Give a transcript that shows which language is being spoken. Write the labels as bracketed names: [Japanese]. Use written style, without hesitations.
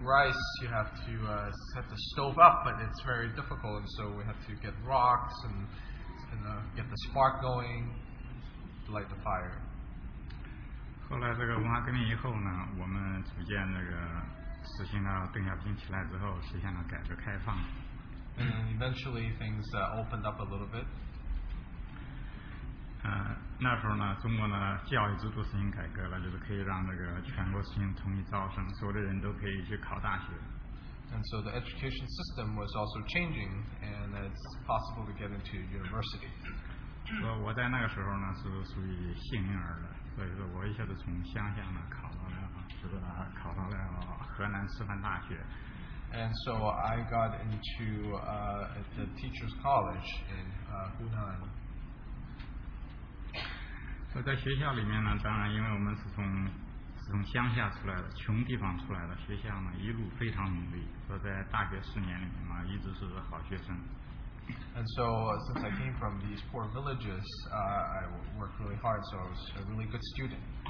[English] rice, you have to set the stove up, but it's very difficult, and so we have to get rocks and get the spark going to light the fire. [Chinese] 后来这个文化革命以后呢，我们逐渐那个。实现了邓小平起来之后，实现了改革开放。 [English] And eventually things opened up a little bit. [Chinese] 那时候呢，中国呢教育制度实行改革了，就是可以让那个全国实行统一招生，所有的人都可以去考大学。 [English] And so the education system was also changing, and it's possible to get into university. [Chinese] 我在那个时候呢是属于幸运儿的，所以说我一下子从乡下呢考到了河南师范大学。 [English] And so I got into the teacher's college in Hunan. [Chinese] 我在学校里面呢，当然因为我们是从乡下出来的，穷地方出来的，学校呢一路非常努力。我在大学四年里面嘛，一直是好学生。 [English] And so since I came from these poor villages, I worked really hard, so I was a really good student.